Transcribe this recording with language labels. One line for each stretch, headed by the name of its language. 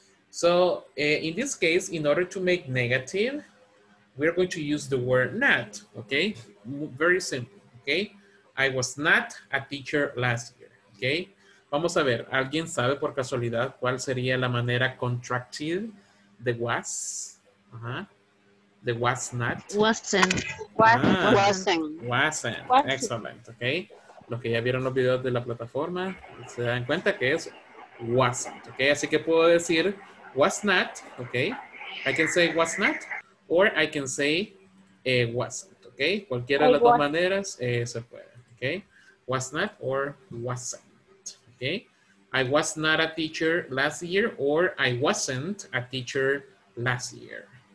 English: So, in this case, in order to make negative, we're going to use the word not, okay? Very simple, okay? I was not a teacher last year, okay?
Spanish: Vamos a ver, ¿alguien sabe por casualidad cuál sería la manera contracted de was? Uh-huh. De was not.
English: Wasn't. Excellent, okay?
Spanish: Los que ya vieron los videos de la plataforma, se dan cuenta que es wasn't, okay?
English: Así que puedo decir was not, okay? I can say was not, or I can say wasn't, okay? Cualquiera de las dos maneras se puede. Okay, was not or wasn't, okay? I was not a teacher last year or I wasn't a teacher last year.